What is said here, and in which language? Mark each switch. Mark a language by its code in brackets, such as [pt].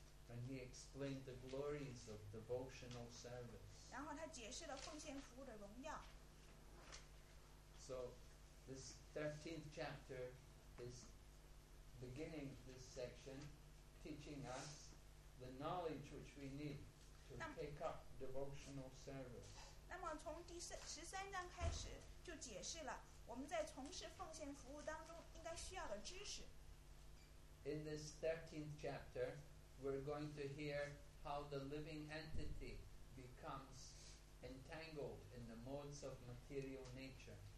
[en] And he explained the glories of devotional service. [zh] 然后他解释了奉献服务的荣耀。 [en] So this 13th chapter is beginning this section teaching us the knowledge which we need to take up devotional service. [zh] 那么从第13章开始就解释了我们在从事奉献服务当中应该需要的知识。 [en] In this 13th chapter, we're going to hear how the living entity becomes entangled in the modes of material nature.